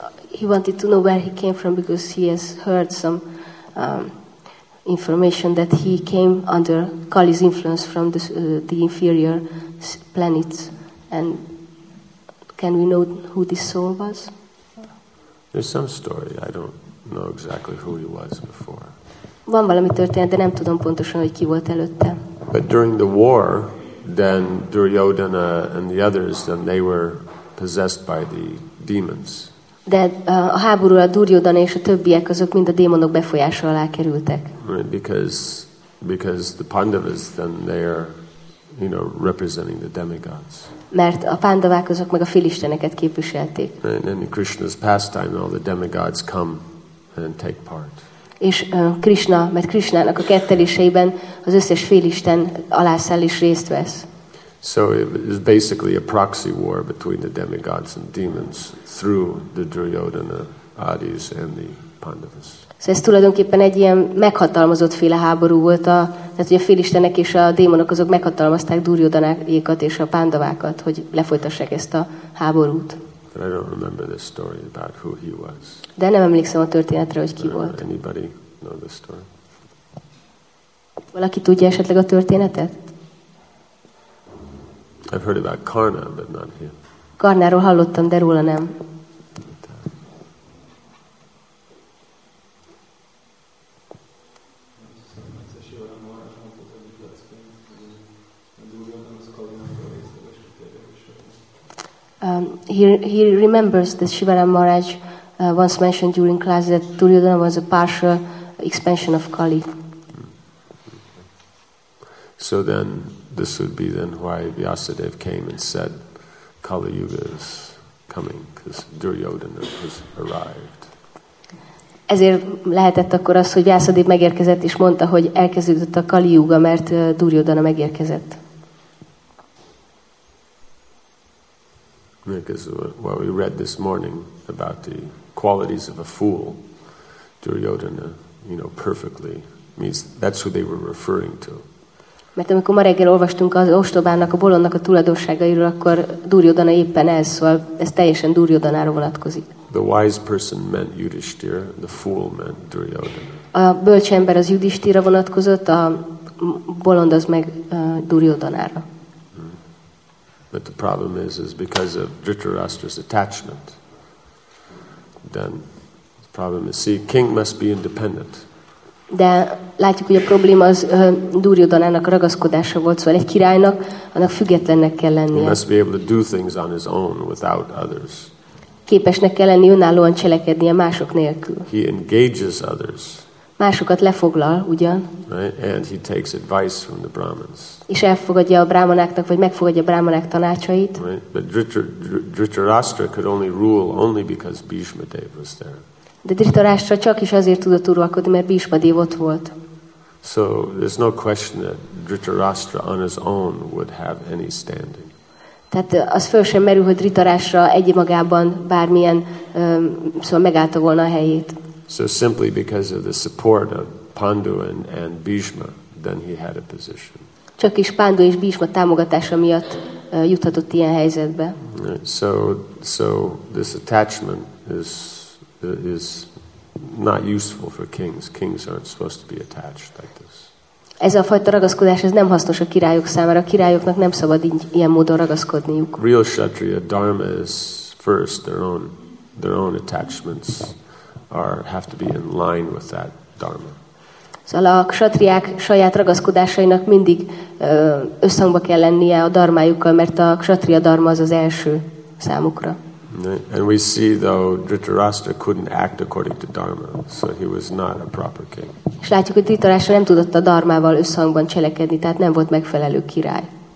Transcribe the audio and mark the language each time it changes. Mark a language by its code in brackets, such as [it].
[en] He wanted to know where he came from because he has heard some information that he came under Kali's influence from the inferior planets. And can we know who this soul was? There's some story. I don't know exactly who he was before. [hu] Van valami történet, de nem tudom pontosan, hogy ki volt előtte. [en] But during the war, then Duryodhana and the others, then they were possessed by the demons. [hu] De a háború, a Duryodhana és a többiek, azok mind a démonok befolyása alá kerültek. [en] Right, because the Pandavas, then they are, you know, representing the demigods. [hu] Mert a Pandavák, azok meg a félisteneket képviselték. [en] Right, and in Krishna's pastime, all the demigods come and take part. [hu] És Krishna, mert Krishnának a ketteléseiben az összes félisten alászáll és részt vesz. [en] So it is basically a proxy war between the demigods and demons through the Duryodhana, Adis and the Pandavas. [hu] So ez tulajdonképpen egy ilyen meghatalmazott féle háború volt, tehát hogy a félistenek és a démonok azok meghatalmazták Duryodhanaékat és a Pandavákat, hogy lefolytassák ezt a háborút. [en] But I don't remember the story about who he was. [hu] De nem emlékszem a történetre, hogy ki volt. [en] Anybody know the story? [hu] Valaki tudja esetleg a történetet? [en] I've heard about Karna, but not him. [hu] Karnáról hallottam, de róla nem. [en] He remembers that Sivaram Maharaj once mentioned during class that Duryodhana was a partial expansion of Kali. So then, this would be then why Vyasadev came and said, Kali Yuga is coming, because Duryodhana has arrived. [hu] Ezért lehetett akkor az, hogy Vyászadév megérkezett, és mondta, hogy elkezdődött a Kali Yuga, mert Duryodhana megérkezett. [en] Because what we read this morning about the qualities of a fool, Duryodhana, you know, perfectly means that's who they were referring to. [hu] Mert amikor ma reggel olvastunk az ostobának, a bolondnak a tulajdonságairól, akkor Duryodhana éppen ez, szóval ez teljesen Duryodhanára vonatkozik. [en] The wise person meant Yudhishthira, the fool meant Duryodhana. [hu] A bölcs ember az Yudhishthira vonatkozott, a bolond az meg Duryodhanára. [en] But the problem is because of Dhritarashtra's attachment, then the problem is, see, king must be independent. [hu] De látjuk, hogy a probléma az Duryodhanának ragaszkodása volt, szóval egy királynak, annak függetlennek kell lennie. [en] He must be able to do things on his own without others. [hu] Képesnek kell lenni önállóan cselekednie mások nélkül. [en] He engages others. [hu] Másokat lefoglal, ugyan. [en] Right? And he takes advice from the Brahmins. [hu] És elfogadja a brámanáknak, vagy megfogadja a brámanák tanácsait. [en] Right? But Dhritarashtra could only rule only because Bhishma Dev was there. [hu] De Dhritarashtra csak is azért tudott uralkodni, mert Bhishma Dev ott volt. [en] So there's no question that Dhritarashtra on his own would have any standing. [hu] Tehát az föl sem merül, hogy Dhritarashtra egyemagában bármilyen szóval megállta volna a helyét. [en] So simply because of the support of Pandu and Bhishma, then he had a position. [hu] Csak is Pandu és Bhishma támogatása miatt juthatott ilyen helyzetbe. [en] So this attachment is not useful for kings. Kings aren't supposed to be attached like this. [hu] Ez a fajta ragaszkodás ez nem hasznos a királyok számára. A királyoknak nem szabad így ilyen módon ragaszkodniuk. [en] Real kshatriya dharma is first their own attachments have to be in line with that dharma. [hu] Szóval a kshatriák saját ragaszkodásainak mindig összhangba kell lennie a dharmájukkal, mert a kshatriya dharma az első számukra. [en] And we see though Dhritarashtra couldn't act according to dharma, so he was not a proper king. [hu] És látjuk, hogy Dhritarashtra nem tudott a dharmával összhangban cselekedni, tehát nem volt megfelelő király.